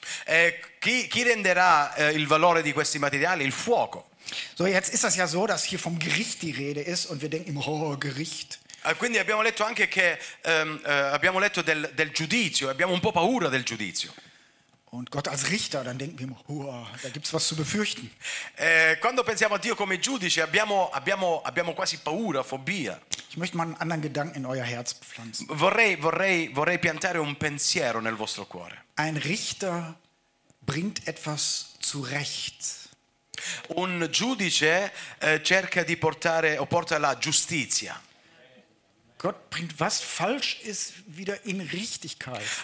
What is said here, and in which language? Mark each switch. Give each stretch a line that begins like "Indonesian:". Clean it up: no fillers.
Italian: E chi renderà il valore di questi materiali? Il fuoco.
German: So, jetzt ist das ja so, dass hier vom Gericht die Rede ist und wir denken immer, oh, Gericht.
Italian: Quindi abbiamo letto anche che abbiamo letto del giudizio, abbiamo un po' paura del giudizio.
German: Und Gott als Richter, dann denken wir immer, oh, da gibt's was zu befürchten.
Italian: Quando pensiamo a Dio come giudice, abbiamo quasi paura, fobia.
German: Ich möchte mal einen anderen Gedanken in euer Herz pflanzen.
Italian: Vorrei piantare un pensiero nel vostro cuore.
German: Ein Richter bringt etwas zurecht.
Italian: Un giudice cerca di porta la giustizia.
German: Gott bringt was falsch ist wieder in Richtigkeit.